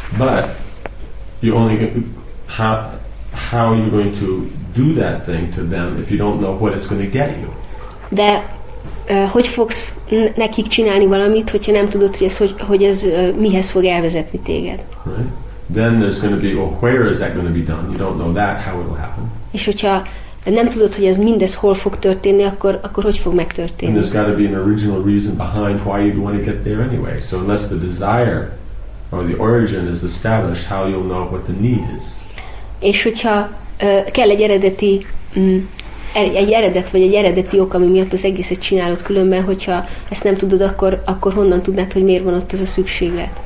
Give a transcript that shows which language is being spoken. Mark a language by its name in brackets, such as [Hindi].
[English] But you only how are you going to do that thing to them if you don't know what it's going to get you? [Hungarian] De hogy fogsz nekik csinálni valamit, hogyha nem tudod, hogy ez mihez fog elvezetni téged? [English] Right. Then there's going to be, well, where is that going to be done? You don't know that, how it will happen. [Hungarian] És hogyha nem tudod, hogy ez mindez hol fog történni, akkor hogy fog megtörténni? [English] And there's got to be an original reason behind why you'd want to get there anyway. So unless the desire or the origin is established, how you'll know what the need is. [Hungarian] És hogyha kell egy eredeti egy eredet, vagy egy eredeti ok, ami miatt az egészet csinálod, különben, hogyha ezt nem tudod, akkor honnan tudnád, hogy miért van ott az a szükséglet?